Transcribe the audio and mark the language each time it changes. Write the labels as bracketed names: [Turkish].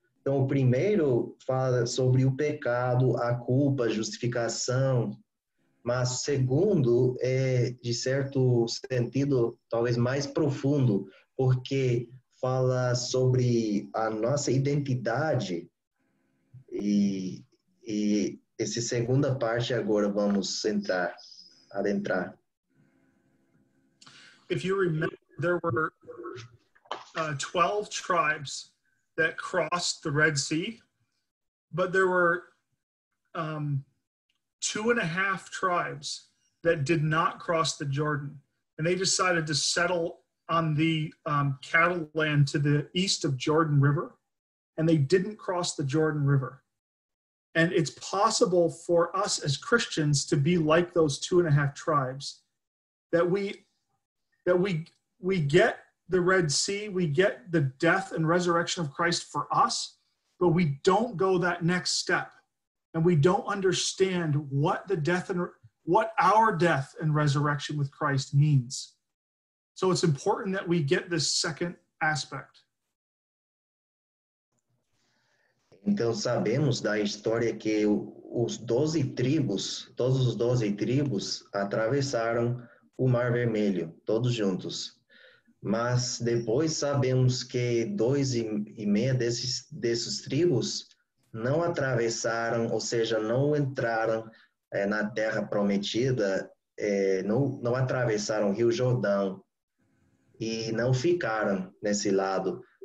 [Portuguese] Então, o primeiro fala sobre o pecado, a culpa, a justificação, mas o segundo é, de certo sentido, talvez mais profundo, porque fala sobre a nossa identidade e essa segunda parte agora vamos adentrar. [English] If you remember, there were 12 tribes that crossed the Red Sea, But there were 2.5 tribes that did not cross the Jordan, and they decided to settle on the cattle land to the east of Jordan River, and they didn't cross the Jordan River. And it's possible for us as Christians to be like those 2.5 tribes, that we get the Red Sea, we get the death and resurrection of Christ for us, but we don't go that next step. And we don't understand what our death and resurrection with Christ means. So it's important that we get this second aspect. [Portuguese] Então sabemos da história que os 12 tribos, todos os 12 tribos atravessaram o Mar Vermelho, todos juntos. Mas depois sabemos que 2.5 desses tribos não atravessaram, ou seja, não entraram na Terra Prometida, não atravessaram o Rio Jordão e não ficaram nesse lado.